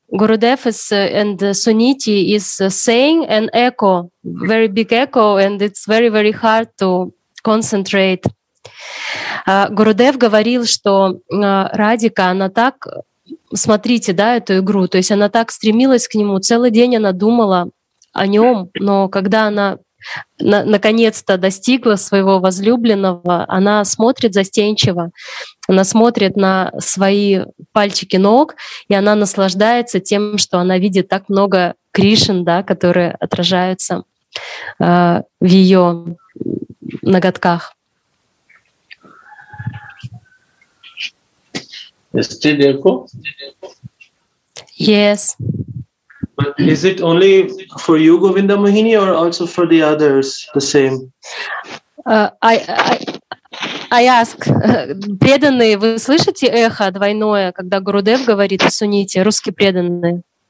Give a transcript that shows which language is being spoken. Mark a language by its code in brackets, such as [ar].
[en] Gurudev is, and Suniti is saying an echo, very big echo, and it's very, very hard to concentrate. [ru] Гурудев говорил, что Радика, она так, смотрите, да, эту игру, то есть она так стремилась к нему, целый день она думала о нем, но когда она наконец-то достигла своего возлюбленного, она смотрит застенчиво, она смотрит на свои пальчики ног, и она наслаждается тем, что она видит так много Кришин, да, которые отражаются в ее ноготках. [en] Is it echo? Yes. But is it only for you, Govinda Mohini, or also for the others the same? I ask. [ru] Преданные, вы слышите эхо двойное, когда Гурудев говорит о Суните, русские преданные?